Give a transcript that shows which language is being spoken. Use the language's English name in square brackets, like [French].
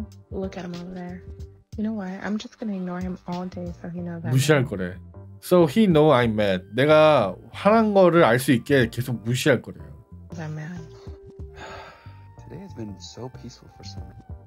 [English] Look at him over there. You know what? I'm just gonna ignore him all day so he knows that. [Korean] 무시할 거래. [English] So he know I'm mad. [Korean] 내가 화난 거를 알 수 있게 계속 무시할 거래요. [English] I'm mad. Today has been so peaceful for some reason.